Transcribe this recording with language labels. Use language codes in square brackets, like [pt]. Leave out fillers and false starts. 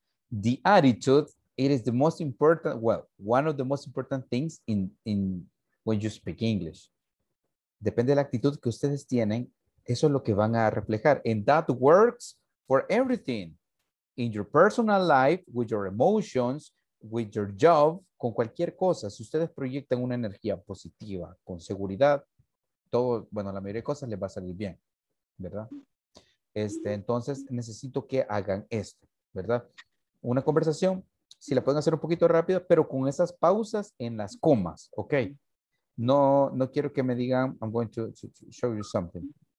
[en] The attitude, it is the most important, well, one of the most important things in when you speak English. [es] Depende de la actitud que ustedes tienen, eso es lo que van a reflejar. [en] And that works for everything. In your personal life, with your emotions, with your job, [es] con cualquier cosa. Si ustedes proyectan una energía positiva, con seguridad, todo, bueno, la mayoría de cosas les va a salir bien, ¿verdad? Entonces necesito que hagan esto, ¿verdad? Una conversación, si la pueden hacer un poquito rápido, pero con esas pausas en las comas, ¿ok? No, no quiero que me digan, [en] I'm going to show you something.